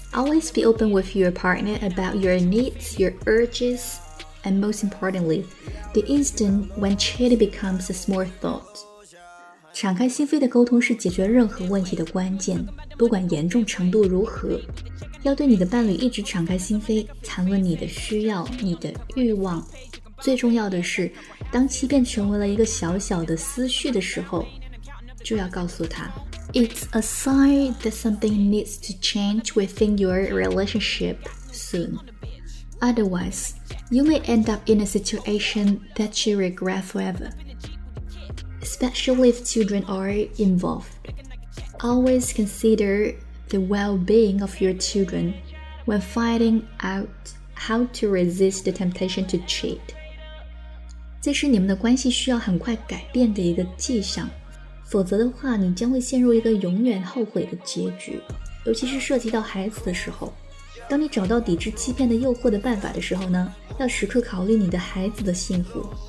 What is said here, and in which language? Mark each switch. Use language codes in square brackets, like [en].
[en] Always be open with your partner about your needs, your urges, and most importantly, the instant when cheating becomes a small thought. [zh] 敞开心扉的沟通是解决任何问题的关键，不管严重程度如何。要对你的伴侣一直敞开心扉，谈论你的需要，你的欲望。最重要的是，当欺骗成为了一个小小的思绪的时候，就要告诉他 [en] It's a sign that something needs to change within your relationship soon. Otherwise, you may end up in a situation that you regret forever. Especially if children are involved. Always consider the well-being of your children when finding out how to resist the temptation to cheat. [zh] 这是你们的关系需要很快改变的一个迹象，否则的话你将会陷入一个永远后悔的结局，尤其是涉及到孩子的时候。当你找到抵制欺骗的诱惑的办法的时候呢，要时刻考虑你的孩子的幸福。